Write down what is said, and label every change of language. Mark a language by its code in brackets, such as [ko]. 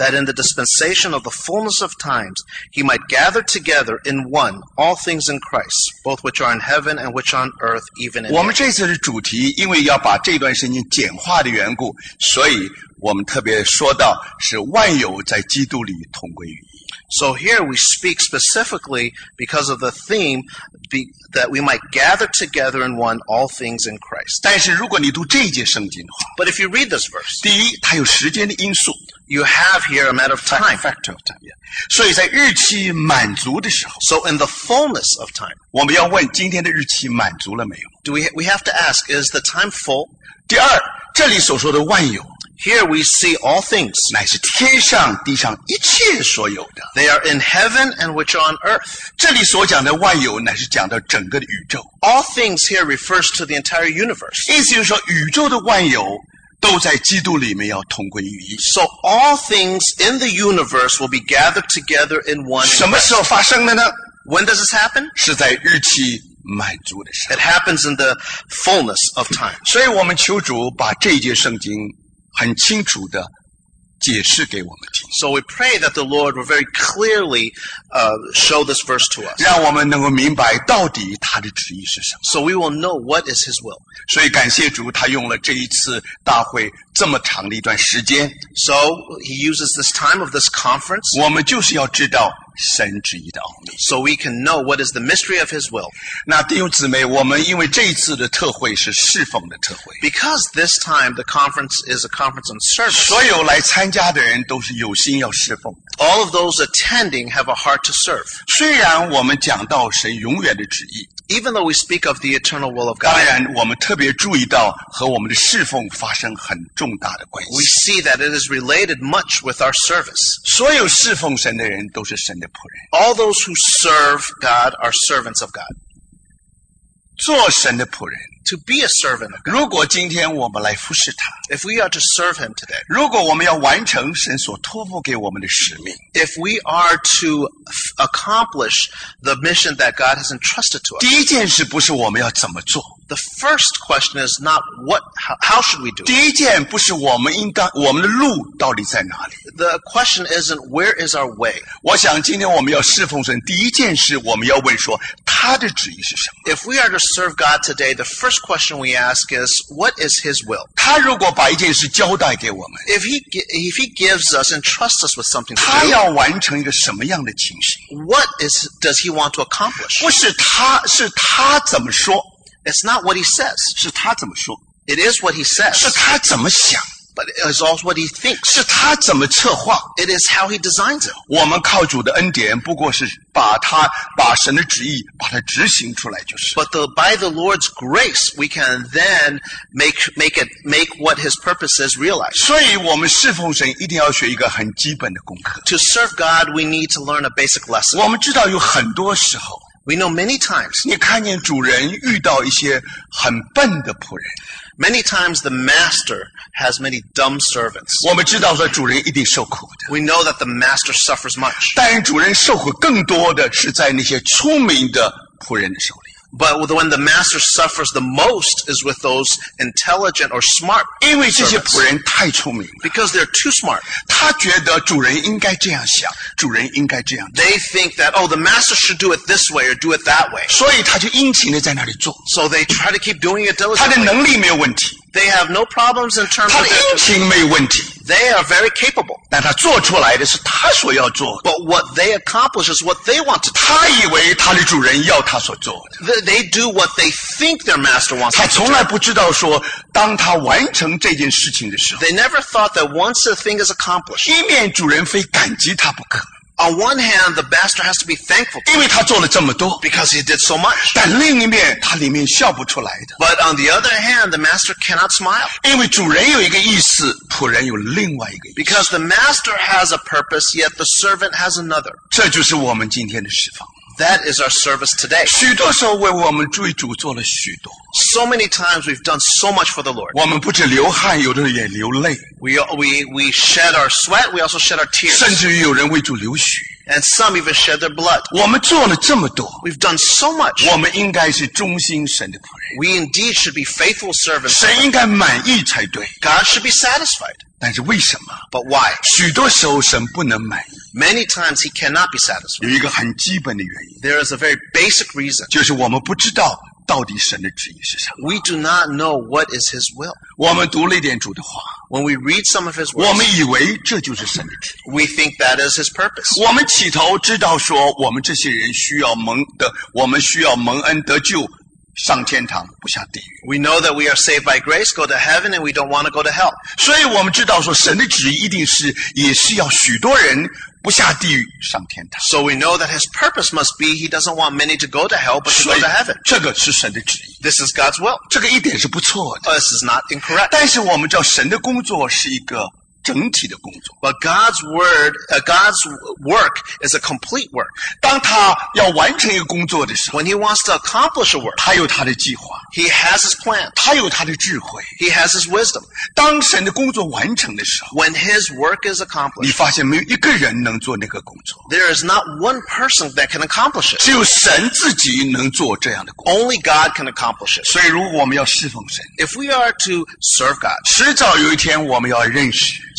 [en] That in the dispensation of the fullness of times he might gather together in one all things in Christ both which are in heaven and which are on earth even in [zh] 我们这次的主题因为要把这段圣经简化的缘故所以我们特别说到是万有在基督里同归于一 [en] So here we speak specifically because of the theme that we might gather together in one all things in Christ [zh] 但是如果你读这一节圣经的话 [en] But if you read this verse [zh] 第一它有时间的因素 [en] You have here a matter of time Factor of time、yeah. [zh] 所以在日期满足的时候 [en] So in the fullness of time [zh] 我们要问今天的日期满足了没有 [en] Do we have to ask is the time full [zh] 第二这里所说的万有 [en] Here we see all things. [zh] 乃是天上地上一切所有的。 [en] They are in heaven and which are on earth. [zh] 这里所讲的万有乃是讲到整个的宇宙。 [en] All things here refers to the entire universe. [zh] 意思就是说宇宙的万有都在基督里面要同归于一。 [en] So all things in the universe will be gathered together in one. [zh] 什么时候发生的呢 [en] When does this happen? [zh] 是在日期满足的时候。 [en] It happens in the fullness of time. [zh] 所以我们求主把这一节圣经很清楚的解释给我们听。 [en] So we pray that the Lord will very clearly, show this verse to us. [zh] 让我们能够明白到底他的旨意是什么。 [en] So we will know what is His will. [zh] 所以感谢主，他用了这一次大会这么长的一段时间。 [en] So He uses this time of this conference. [zh] 我们就是要知道神旨意的奥秘。 [en] So we can know what is the mystery of His will. [zh] 那弟兄姊妹，我们因为这一次的特会是侍奉的特会。 [en] Because this time the conference is a conference on service. [zh] 所有来参加的人都是有心要侍奉。 [en] All of those attending have a heart to serve. [zh] 虽然我们讲到神永远的旨意。 [en] Even though we speak of the eternal will of God. [zh] 当然我们特别注意到和我们的侍奉发生很重大的关系。 [en] We see that it is related much with our service. [zh] 所有侍奉神的人都是神的仆人。 [en] All those who serve God are servants of God. [zh] 做神的仆人。 [en] To be a servant of God. [zh] 如果今天我们来服侍他。 [en] If we are to serve Him today. [zh] 如果我们要完成神所托付给我们的使命。 [en] If we are to accomplish the mission that God has entrusted to us. [zh] 第一件事不是我们要怎么做。 [en] The first question is not how should we do it. [zh] 第一件不是我们的路到底在哪里。 [en] The question isn't where is our way. [zh] 我想今天我们要侍奉神，第一件事我们要问说他的旨意是什么。 [en] If we are to serve God today, the first question we ask is, what is His will? [zh] 他如果把一件事交代给我们。 [en] If he gives us, entrusts us with something to do. [zh] 他要完成一个什么样的情形。 [en] What does He want to accomplish? [zh] 不是他，是他怎么说。 [en] It's not what he says. [zh] 是他怎么说。 [en] It is what he says. [zh] 是他怎么想。 [en] But it is also what he thinks. [zh] 是他怎么策划。 [en] It is how he designs it. [zh] 我们靠主的恩典不过是把神的旨意把它执行出来就是。 [en] But by the Lord's grace, we can then make what his purpose is realized. [zh] 所以我们侍奉神一定要学一个很基本的功课。 [en] To serve God, we need to learn a basic lesson. [zh] 我们知道有很多时候 [en] We know many times. [zh] 你看见主人遇到一些很笨的仆人。 [en] Many times the master has many dumb servants. [zh] 我们知道说主人一定受苦的。 [en] We know that the master suffers much. [zh] 但主人受苦更多的是在那些聪明的仆人的手里。 [en] But when the master suffers the most is with those intelligent or smart servants. [zh] 因为这些仆人太聪明了。 [en] Because they're too smart. [zh] 他觉得主人应该这样想，主人应该这样做。 [en] They think that, oh, the master should do it this way or do it that way. [zh] 所以他就殷勤地在那里做。 [en] So they try to keep doing it diligently. [zh] 他的能力没有问题。 [en] They have no problems in terms of their ability. [zh] 他的殷勤没有问题。 [en] They are very capable. [zh] 但他做出来的是他所要做的。 [en] But what they accomplish is what they want to do. [zh] 他以为他的主人要他所做的。 [en] They do what they think their master wants them to do. [zh] 他从来不知道说当他完成这件事情的时候。 [en] They never thought that once a thing is accomplished. [zh] 一面主人非感激他不可。 [en] On one hand, the master has to be thankful. [zh] 因为他做了这么多。 [en] Because he did so much. [zh] 但另一面他里面笑不出来的。 [en] But on the other hand, the master cannot smile. [zh] 因为主人有一个意思，仆人有另外一个意思。 [en] Because the master has a purpose, yet the servant has another. [zh] 这就是我们今天的释放。 [en] That is our service today. [zh] 许多时候为我们主做了许多。 [en] So many times we've done so much for the Lord. [zh] 我们不止流汗，有的也流泪。 [en] We shed our sweat, we also shed our tears. [zh] 甚至于有人为主流血。 [en] And some even shed their blood. [zh] 我们做了这么多。 [en] We've done so much. [zh] 我们应该是忠心神的仆人。 [en] We indeed should be faithful servants. [zh] 神应该满意才对。 [en] God should be satisfied. [zh] 但是为什么？ [en] But why? [zh] 许多时候神不能满意。 [en] Many times he cannot be satisfied. [zh] 有一个很基本的原因。 [en] There is a very basic reason. [zh] 就是我们不知道到底神的旨意是什么。 [en] We do not know what is his will. [zh] 我们读了一点主的话。 [en] When we read some of his words, [zh] 我们以为这就是神的旨意。 [en] We think that is his purpose. [zh] 我们起头知道说我们这些人需要蒙恩得救。上天堂不下地狱。 [en] We know that we are saved by grace, go to heaven, and we don't want to go to hell. [zh] 所以我们知道说神的旨意一定是也是要许多人不下地狱上天堂。 [en] So we know that his purpose must be he doesn't want many to go to hell, but to go to heaven. [zh] 这个是神的旨意。 [en] This is God's will. [zh] 这个一点是不错的。 [en] This is not incorrect. [zh] 但是我们知道神的工作是一个整体的工作。 [en] But God's word, God's work is a complete work. [zh] 当他要完成一个工作的时候 [en] ，When he wants to accomplish a work, [zh] 他有他的计划。 [en] He has his plan. [zh] 他有他的智慧。 [en] He has his wisdom. [zh] 当神的工作完成的时候 [en] ，When his work is accomplished, [zh] 你发现没有一个人能做那个工作。 [en] There is not one person that can accomplish it. [zh] 只有神自己能做这样的工作。 [en] Only God can accomplish it. [zh] 所以如果我们要侍奉神 [en] ，If we are to serve God, [zh] 迟早有一天我们要认识。